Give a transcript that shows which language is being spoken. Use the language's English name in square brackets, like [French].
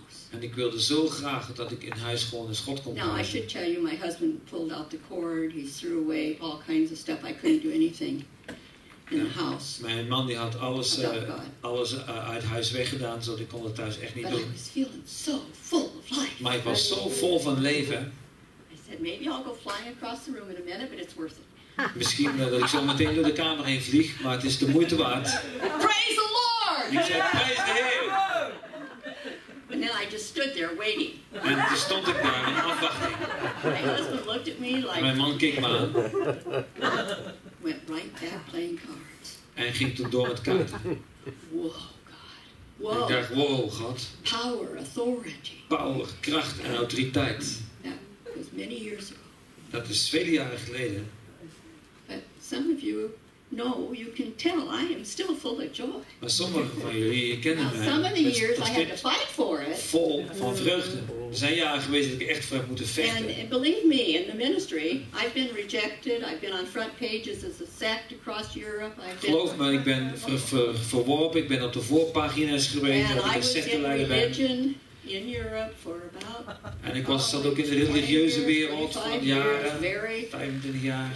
[Dutch] En ik wilde zo graag dat ik in huis gewoon eens God kon praten. [English] I should tell you, my husband pulled out the cord. He threw away all kinds of stuff. I couldn't do anything. In the house. [Dutch] Mijn man die had alles uit huis weggedaan, zodat ik kon het thuis echt niet [English] but [Dutch] doen. [English] I was feeling so full of life. [Dutch] Maar ik was zo vol van leven. [English] I said maybe I'll go flying across the room in a minute, but it's worth it. [Dutch] Misschien dat ik zo meteen door de kamer heen vlieg, maar het is de moeite waard. [English] Praise the Lord! [Dutch] Ik zei prijs de Heer. [English] And then I just stood there waiting. [Dutch] En toen stond ik daar in afwachting. [English] My husband looked at me like. [Dutch] Mijn man keek me aan. [English] Went right back playing cards. [Dutch] En ging toen door met kaarten. [English] Whoa, God. Whoa. [Dutch] En ik dacht, wow, God. [English] Power, authority. [Dutch] Power, kracht en autoriteit. [English] That was many years ago. [Dutch] Dat is vele jaren geleden. [English] But some of you know, you can tell, I am still full of joy. [Dutch] Maar sommigen van jullie kennen mij. [English] Some of the years I had to fight for it. [Dutch] Vol van vreugde. Er zijn jaren geweest dat ik echt voor heb moeten vechten. [English] And believe me, in the ministry, I've been rejected. I've been on front pages as a sect across Europe. [Dutch] Geloof me, ik ben verworpen. Ik ben op de voorpagina's geweest. [English] And [Dutch] dat ik een sectenleider ben. [English] In Europe for about [Dutch] en ik was zat ook in de religieuze wereld van jaren, 25 jaar.